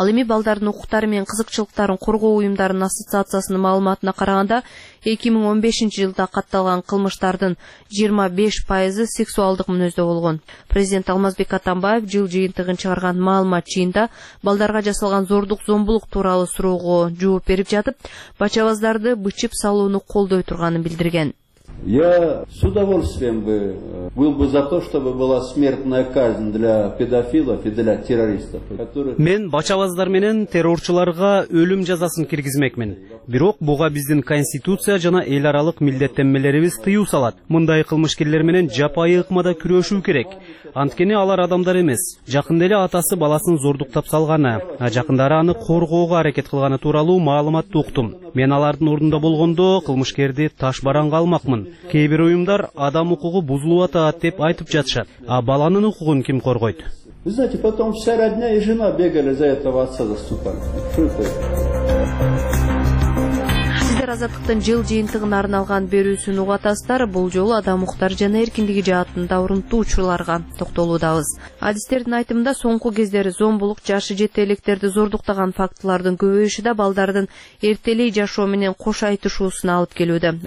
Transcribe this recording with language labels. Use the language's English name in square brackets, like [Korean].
[Kyrgyz] Ал эми балдардын укуктары менен кызыкчылыктарын коргоо уюмдарынын ассоциациясынын маалыматына караганда, 2015 жылда катталган кылмыштардын 25% сексуалдык мүнөздө болгон. Президент Алмазбек Атамбаев жыл жыйынтыгын чыгарган маалымат жыйында балдарга жасалган зордук зомбулук тууралуу суроого жооп берип жатып, бачабаздарды бычып салууну колдой турганын билдирген. [Russian] Я с удовольствием был бы за то, чтобы была смертная казнь для педофилов и для террористов. [Kyrgyz] Мен бачабаздар менен террорчуларга өлүм жазасын киргизмекмин. Бирок буга биздин конституция жана эл аралык милдеттенмелерибиз тыюу салат. Мындай кылмышкерлер менен жапайы ыкмада күрөшүү керек. Анткени алар адамдар эмес. Жакында эле атасы баласын зордуктап салганы, жакындары аны коргоого аракет кылганы тууралуу маалыматты уктум. Мен алардын ордунда болгондо кылмышкерди таш баранга алмак. Кээ бир уюмдар адам укугу бузулуп атат деп айтып жатышат. А баланын укугун ким коргойт? [Russian] Вы знаете, потом вся родня и жена бегали за этого отца заступали. [Kyrgyz] Азаттыктын жыл жыйынтыгына арналган берүүсүн угатасыздар. Бул жолу адам укуктары жана эркиндиги жаатында урунтуу учурларга токтолуудабыз. Адистердин айтымында соңку кездери зомбулук, жашы жете электерди зордуктаган фактылардын көбөйүшү да балдардын эртелей жашоо менен кош айтышуусуна алып келүүдө.